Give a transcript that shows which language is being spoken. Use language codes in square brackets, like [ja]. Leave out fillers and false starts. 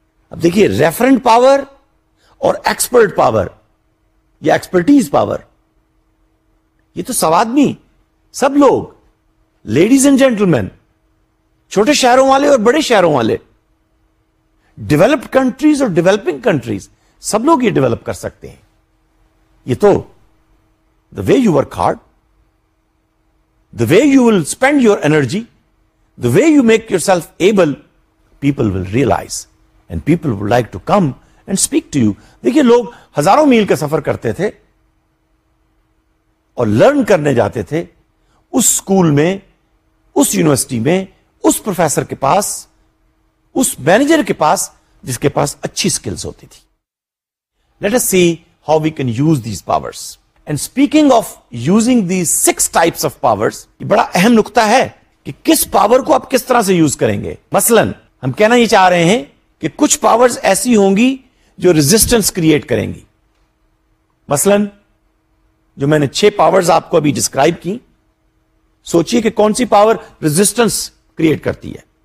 [ur] اب دیکھیے، referent power اور ایکسپرٹ پاور یا ایکسپرٹیز پاور، یہ تو سب آدمی، سب لوگ، [en] ladies and gentlemen, [ur] چھوٹے شہروں والے اور بڑے شہروں والے، ڈیولپڈ کنٹریز اور ڈیولپنگ کنٹریز، سب لوگ یہ ڈیولپ کر سکتے ہیں. یہ تو [en] The way you work hard, the way you will spend your energy, the way you make yourself able, people will realise and people would like to come and speak to you. [ur] دیکھیے لوگ ہزاروں میل کا سفر کرتے تھے اور learn کرنے جاتے تھے اس اسکول میں, اس یونیورسٹی میں, اس پروفیسر کے پاس, اس مینیجر کے پاس جس کے پاس اچھی اسکلس ہوتی تھی. [en] Let us see how we can use these powers. And speaking of using these six types of powers, [ur] یہ بڑا اہم نکتا ہے کہ کس پاور کو آپ کس طرح سے یوز کریں گے. مثلاً ہم کہنا یہ چاہ رہے ہیں کہ کچھ پاورز ایسی ہوں گی جو ریزسٹنس کریٹ کریں گی. مثلاً جو میں نے چھ پاورز آپ کو ابھی ڈسکرائب کی, سوچئے کہ کون سی پاور ریزسٹنس کریٹ کرتی ہے.